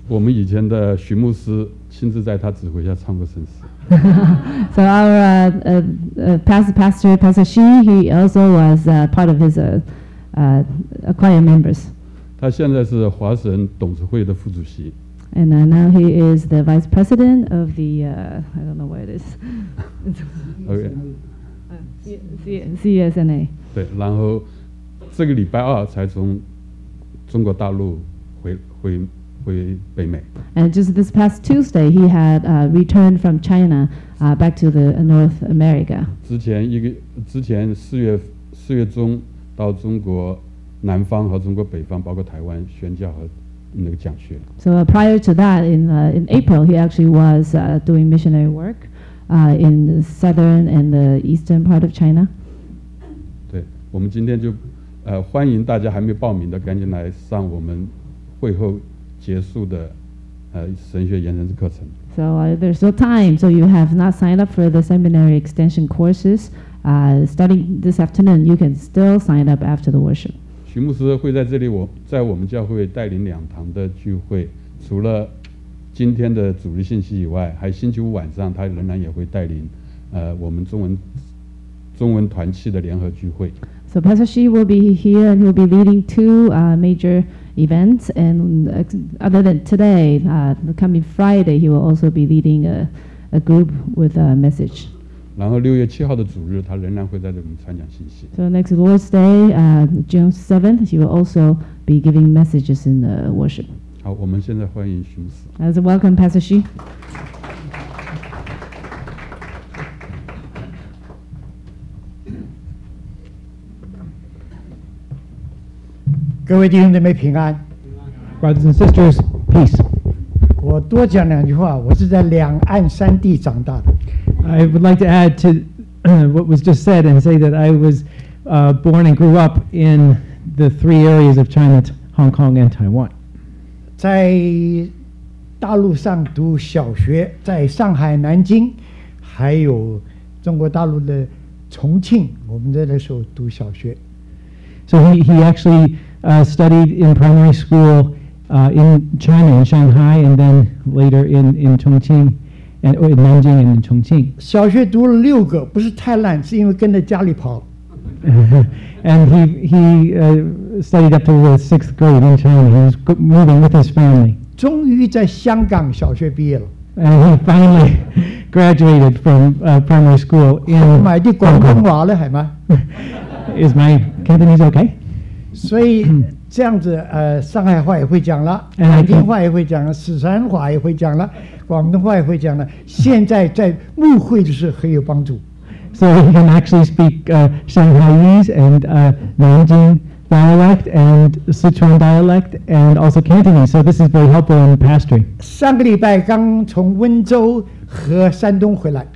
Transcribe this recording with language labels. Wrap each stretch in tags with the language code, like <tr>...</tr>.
<zh>我们以前的徐牧师亲自在他指挥下唱过圣诗。</zh> <en>So our pastor Xu, he also was part of his. Acquire members.</en> <zh>他现在是华神董事会的副主席。</zh> <en>And now he is the vice president of the I don't know what it is. Okay. CSNA.</en> <zh>对，然后这个礼拜二才从中国大陆回北美。</zh> <en>And just this past Tuesday, he had returned from China back to the North America.</en> <zh>之前四月中。到中国南方和中国北方，包括台湾宣教和那个讲学。</zh> <en>So prior to that, in April, he actually was doing missionary work in the southern and the eastern part of China.</en> <zh>对，我们今天就欢迎大家还没报名的，赶紧来上我们会后结束的神学延伸课程。</zh> <en>So there's no time. So you have not signed up for the seminary extension courses. Starting this afternoon, you can still sign up after the worship.</en> <zh>徐牧师会在这里，在我们教会带领两堂的聚会，除了今天的主日信息以外，还星期五晚上他仍然也会带领我们中文团契的联合聚会。</zh> <en>So Pastor Xi will be here and he'll be leading two major events. And other than today, coming Friday, he will also be leading a group with a message.</en> <zh>然后6月7号的主日，他仍然会在这里传讲信息。</zh> <en>So next Lord's Day, June 7th, he will also be giving messages in the worship.</en> <zh>好，我们现在欢迎徐牧师。</zh> <en>Let's welcome Pastor Xi. Good evening,</en> <zh>姊妹平安。</zh> <en>Brothers and sisters, peace.</en> <zh>我多讲两句话，我是在两岸三地长大的。</zh> <en>I would like to add to what was just said and say that I was born and grew up in the three areas of China, Hong Kong, and Taiwan.</en> <zh>在大陆上读小学，在上海、南京，还有中国大陆的重庆，我们在那时候读小学。</zh> <en>So he actually studied in primary school in China, in Shanghai, and then later in Chongqing. And in Nanjing and in Chongqing.</en> <zh>小学读了六个，不是太烂，是因为跟着家里跑。</zh> <en>And he studied up to the sixth grade in China. He was moving with his family.</en> <zh>终于在香港小学毕业了。</zh> <en>And he finally graduated from primary school in Hong Kong.</en> <zh>买的广东话了，还吗？</zh> <en>Is my Cantonese okay?</en> <zh>所以这样子，上海话也会讲了，南京话也会讲了，四川话也会讲了。广东话也会讲了，现在在牧会就是很有帮助。</zh> <en>So he can actually speak Shanghaiese and Nanjing dialect and Sichuan dialect and also Cantonese. So this is very helpful in pastoring.</en> <zh>上个礼拜刚从温州和山东回来。</zh>